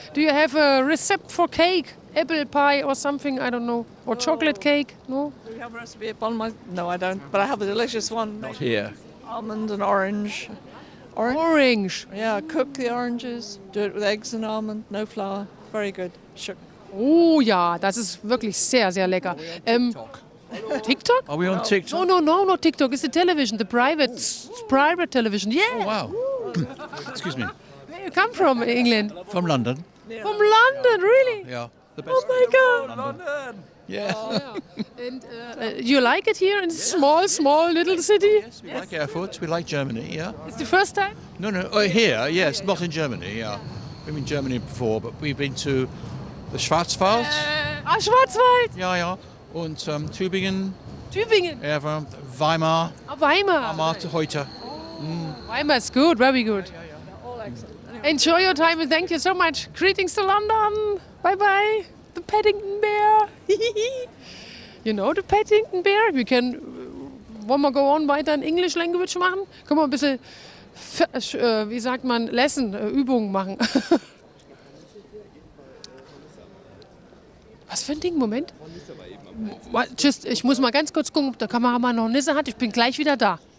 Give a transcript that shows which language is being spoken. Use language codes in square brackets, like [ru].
[en] Do you have a recept for cake? Apple pie or something, I don't know. Or chocolate cake, no? Do you have a recipe upon my... No, I don't. But I have a delicious one. Not here. Almond and orange. Orange. Yeah, cook the oranges, do it with eggs and almond, no flour. Very good. Sugar. [de] Oh ja, das ist wirklich sehr, sehr lecker. [en] TikTok? Are we on TikTok? No, TikTok. It's the television, the private, private television. Yeah. Oh, wow. Excuse me. Where you come from, England? From London. Yeah. From London, really? Yeah. The best. Oh my God. London. London. Yeah. And you like it here in this small little city? Yes, we like Erfurt. We like Germany, yeah. It's the first time? No. Not in Germany, yeah. We've been to Germany before, but we've been to the Schwarzwald. Schwarzwald! Yeah, yeah. And Tübingen. Tübingen? Yeah, Weimar. Weimar. Weimar to heute. Weimar is good, very good. Yeah. All excellent. Anyway. Enjoy your time and thank you so much. Greetings to London. Bye-bye. The Paddington Bear. You know the Paddington Bear? We can, wollen wir go on weiter in English language machen? [de] Können wir ein bisschen, wie sagt man, Lesson, Übungen machen? Was für ein Ding, Moment. Just, ich muss mal ganz kurz gucken, ob der Kameramann noch Nisse hat. Ich bin gleich wieder da.